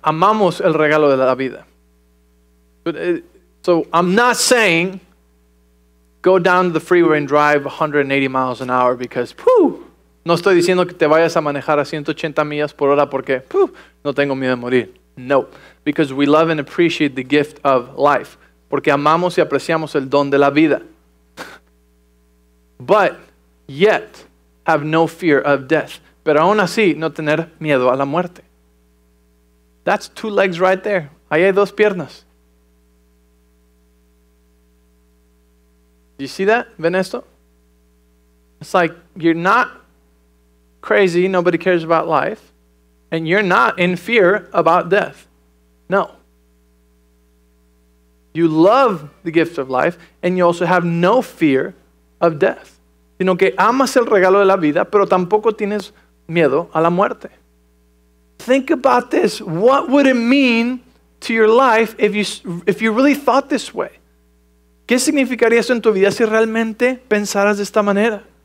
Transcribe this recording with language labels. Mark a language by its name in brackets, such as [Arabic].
[Spanish] Amamos el regalo de la vida. [English] So I'm not saying go down the freeway and drive 180 miles an hour because, whew, [Spanish] no estoy diciendo que te vayas a manejar a 180 millas por hora porque, whew, no tengo miedo de morir. [English] No, because we love and appreciate the gift of life. [Spanish] Porque amamos y apreciamos el don de la vida. [English] But yet have no fear of death. [Spanish] Pero aún así, no tener miedo a la muerte. [English] That's two legs right there. [Spanish] Ahí hay dos piernas. [English] You see that? [Spanish] ¿Ven esto? [English] It's like, you're not crazy, nobody cares about life, and you're not in fear about death. No. You love the gift of life, and you also have no fear of death. [Spanish] Sino que amas el regalo de la vida, pero tampoco tienes miedo a la muerte. [English] Think about this. What would it mean to your life if you really thought this way? [Spanish] ¿Qué significaría eso en tu vida si realmente pensaras de esta manera?